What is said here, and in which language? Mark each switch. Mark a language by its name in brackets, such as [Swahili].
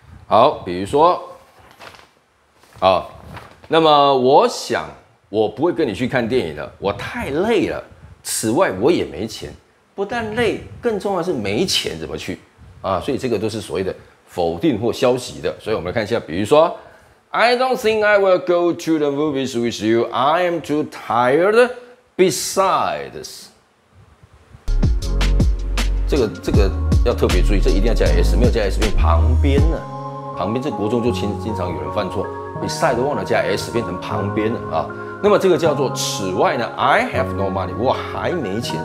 [Chinese] 好，比如说啊，那么我想我不会跟你去看电影了，我太累了。此外我也没钱，不但累，更重要的是没钱怎么去啊？所以这个都是所谓的否定或消极的。所以我们来看一下，比如说。 [English] I don't think I will go to the movies with you. I am too tired. [Chinese] Besides, 这个要特别注意，这一定要加 s， 没有加 s 变旁边了。旁边这国中就经常有人犯错 ，beside 都忘了加 s， 变成旁边了啊。那么这个叫做此外呢 ？ [English] I have no money， [Chinese] 我还没钱。